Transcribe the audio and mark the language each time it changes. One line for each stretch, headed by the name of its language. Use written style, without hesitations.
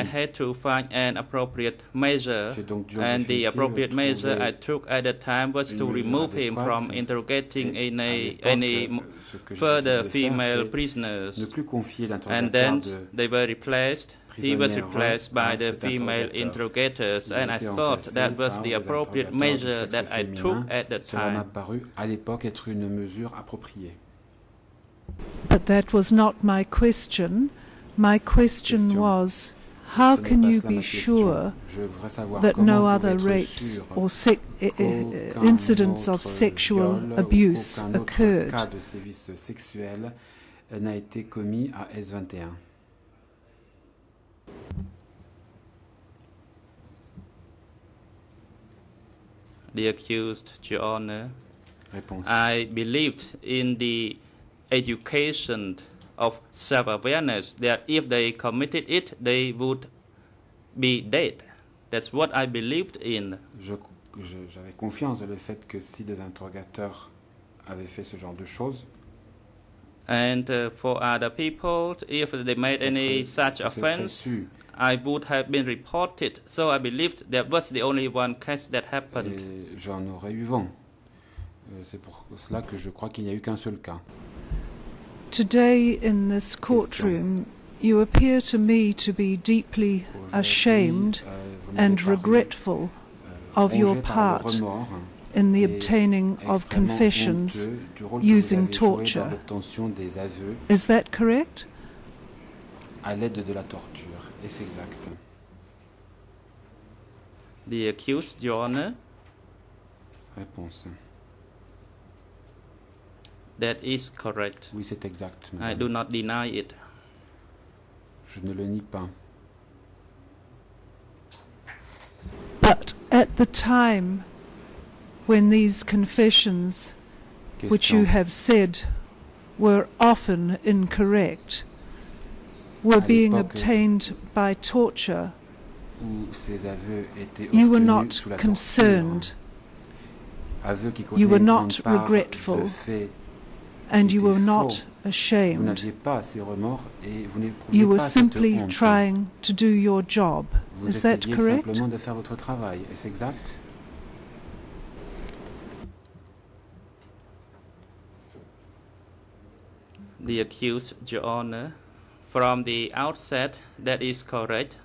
English: I had to find an appropriate measure, and the appropriate measure I took at the time was to remove him from interrogating any further female prisoners.
French: Ne plus confier l'interrogateur
English: and then they were replaced. He was replaced by the female interrogators, and I thought that was the appropriate measure that I took at the time.
French: Cela m'a paru à l'époque être une mesure appropriée.
English: But that was not my question. My question was, how can you be sure that no other rapes or incidents of sexual abuse occurred?
French: Aucun cas de sévices sexuels n'a été commis à S21.
English: The accused, Your Honor.
French: Réponse.
English: I believed in the education of self-awareness, that if they committed it, they would be dead. That's what I believed in.
French: J'avais confiance dans le fait que si des interrogateurs avaient fait ce genre de choses.
English: And for other people, if they made any such offense, I would have been reported. So I believed that was the only one case that happened.
French: Et j'en aurais eu vent. C'est pour cela que je crois qu'il n'y a eu qu'un seul cas.
English: Today in this courtroom, you appear to me to be deeply ashamed and regretful of your part in the obtaining of confessions using torture. Is that correct?
French: À l'aide de la torture, et c'est exact.
English: The accused, Your Honor,
French: Réponse.
English: That is correct.
French: Oui, c'est exact,
English: madame. I do not deny it.
French: Je ne le nie pas.
English: But at the time when these confessions, question, which you have said were often incorrect, were à being obtained by torture,
French: où ces aveux étaient obtenus,
English: you were not
French: sous la
English: concerned,
French: aveux qui contenaient,
English: you were not regretful, and you were not ashamed.
French: Vous n'aviez pas ces remords et vous n'éprouviez pas cette honte.
English: You were simply trying to do your job.
French: Vous
English: Is that correct?
French: Vous essayiez simplement de faire votre travail. Est-ce exact?
English: The accused, Your Honor, from the outset, that is correct.